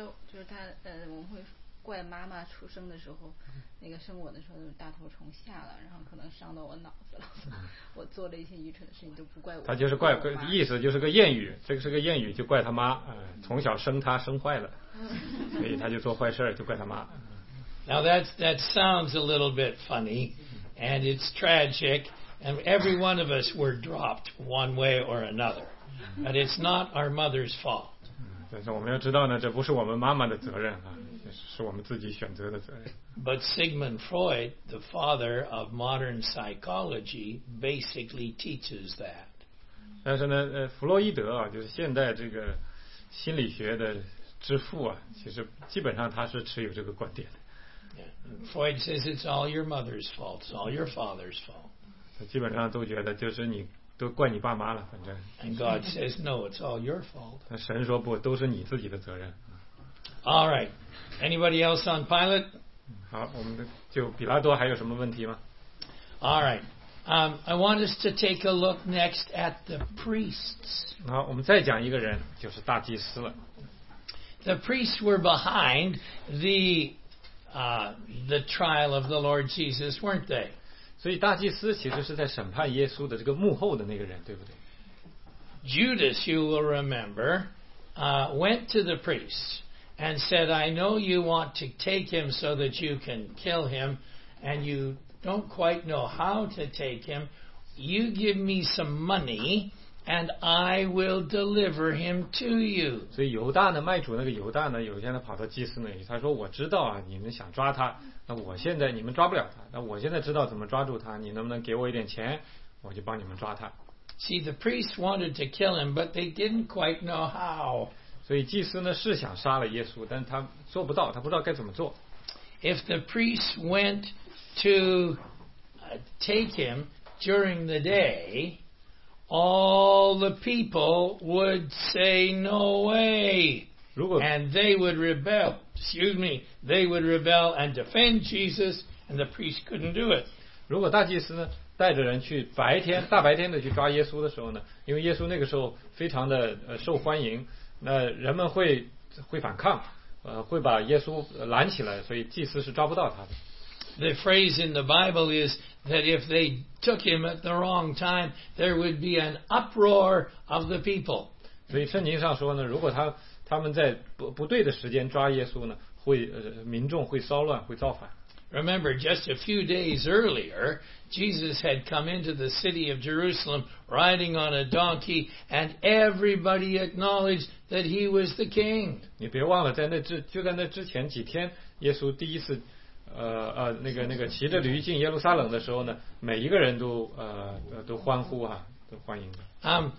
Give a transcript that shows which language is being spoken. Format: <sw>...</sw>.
<zh>就是他我们会怪妈妈出生的时候，那个生我的时候大头虫下了，然后可能伤到我脑子了，我做了一些愚蠢的事情，就不怪我。他就是怪，意思就是个谚语，这个是个谚语，就怪他妈，从小生他生坏了，所以他就做坏事就怪他妈。</zh> <en>Now that sounds a little bit funny, and it's tragic. And every one of us were dropped one way or another. But it's not our mother's fault.</en> <zh>但是我们要知道呢，这不是我们妈妈的责任啊，是我们自己选择的责任。</zh> <en>But Sigmund Freud, the father of modern psychology, basically teaches that.</en> <zh>但是呢，弗洛伊德啊，就是现代这个心理学的之父啊，其实基本上他是持有这个观点的。</zh> <en>Yeah. Freud says it's all your mother's fault. It's all your father's fault.</en> <zh>基本上都觉得就是你都怪你爸妈了，反正。</zh> <en>And God says no, it's all your fault.</en> <zh>神说不，都是你自己的责任。</zh> <en>All right, anybody else on Pilate?</en> <zh>好，我们就比拉多还有什么问题吗</zh> <en>？All right, I want us to take a look next at the priests.</en> <zh>好，我们再讲一个人，就是大祭司了。</zh> <en>The priests were behind the trial of the Lord Jesus, weren't they?</en> <zh>所以大祭司其实是在审判耶稣的这个幕后的那个人，对不对</zh> <en>？Judas, you will remember, went to the priests and said, "I know you want to take him so that you can kill him, and you don't quite know how to take him. You give me some money, and I will deliver him to you."</en> <zh>所以犹大呢，卖主那个犹大呢，有一天他跑到祭司那里，他说：“我知道啊，你们想抓他。” 那我现在你们抓不了他，那我现在知道怎么抓住他，你能不能给我一点钱，我就帮你们抓他。</zh> <en>See, the priests wanted to kill him, but they didn't quite know how.</en> <zh>所以祭司呢是想杀了耶稣，但他做不到，他不知道该怎么做。</zh> <en>If the priests went to take him during the day, all the people would say no way. And they would rebel. Excuse me. They would rebel and defend Jesus, and the priest couldn't do it.</en> <zh>如果大祭司呢带着人去白天大白天的去抓耶稣的时候呢，因为耶稣那个时候非常的受欢迎，那人们会反抗，会把耶稣拦起来，所以祭司是抓不到他的。</zh> <en>The phrase in the Bible is that if they took him at the wrong time, there would be an uproar of the people.</en> <zh>所以圣经上说呢，如果他们在不对的时间抓耶稣呢，会民众会骚乱会造反。</zh> <en>Remember, just a few days earlier, Jesus had come into the city of Jerusalem riding on a donkey, and everybody acknowledged that he was the king.</en> <zh>你别忘了，在那之就在那之前几天，耶稣第一次，那个骑着驴进耶路撒冷的时候呢，每一个人都都欢呼啊，都欢迎的。</zh>